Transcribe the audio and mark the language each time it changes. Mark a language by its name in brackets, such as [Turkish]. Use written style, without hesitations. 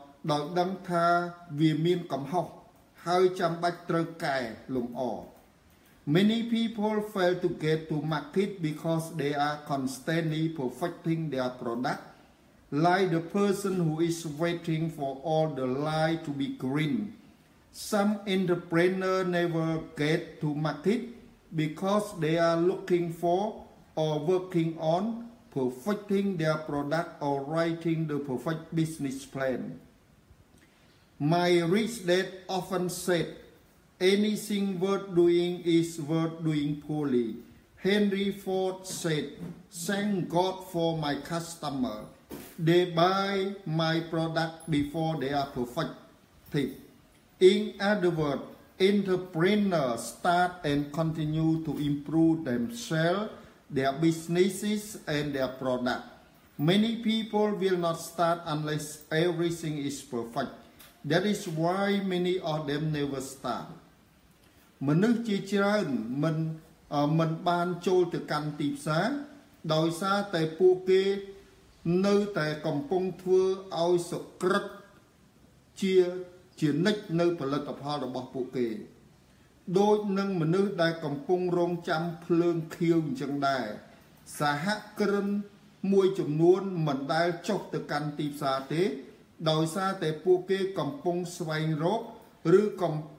[Khmer] ដោយដឹងថាវាមានកំហុសហើយចាំបាច់ត្រូវកែលម្អ [English] Many people fail to get to market because they are constantly perfecting their product like the person who is waiting for all the light to be green. Some entrepreneur never get to market because they are looking for or working on perfecting their product or writing the perfect business plan. My rich dad often said, anything worth doing is worth doing poorly. Henry Ford said, thank God for my customer. They buy my product before they are perfected. In other words, entrepreneurs start and continue to improve themselves, their businesses, and their product. Many people will not start unless everything is perfect. That is why many of them never start. [Khmer] មនុស្សជាច្រើនមិនបានចូលទៅកាន់ទីផ្សារដោយសារតែពួកគេនៅតែកំពុងធ្វើឲ្យសុក្រឹតជានិច្ចនៅផលិតផលរបស់ពួកគេដូចនឹងមនុស្សដែលកំពុងរងចាំភ្លើងខៀវអញ្ចឹងដែរសហគ្រិនមួយចំនួនមិនដែលចុះទៅកាន់ទីផ្សារទេដោយសារតែពួកគេកំពុងស្វែងរកឬកំ